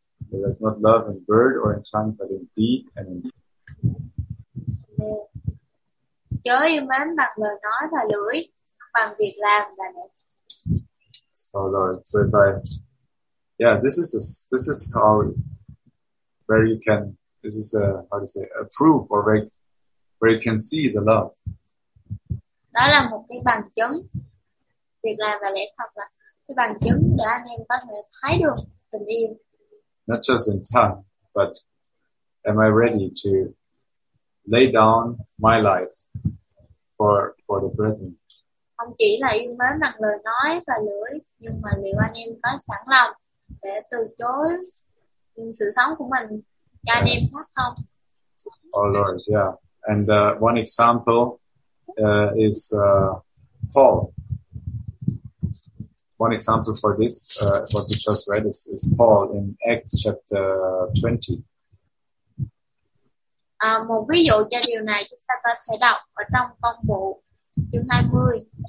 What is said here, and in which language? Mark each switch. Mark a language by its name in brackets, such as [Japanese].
[English] There is not love in word or in tongue, but in deed and in. [Vietnamese] Chớ yêu mến bằng lời nói và lưỡi, bằng việc làm là lẽ. [English] So Lord, so if I, yeah, this is how where you can, this is a, how to say, a proof or where you can see the love. [Vietnamese] Đó là một cái bằng chứng, việc làm và lẽ thật là cái bằng chứng để anh em có thể thấy được tình yêu. [English] Not just in tongue, but am I ready to lay down my life for the brethren? [Vietnamese] Không chỉ là yêu mến bằng lời nói và lưỡi, nhưng mà liệu anh em có sẵn lòng để từ chối sự sống của mình cho anh em khác không? [English] Oh Lord, yeah. And one example is Paul. One example for this, what we just read, is Paul in Acts chapter 20. [Vietnamese] Một ví dụ cho điều này chúng ta có thể đọc ở trong công vụ chương 20.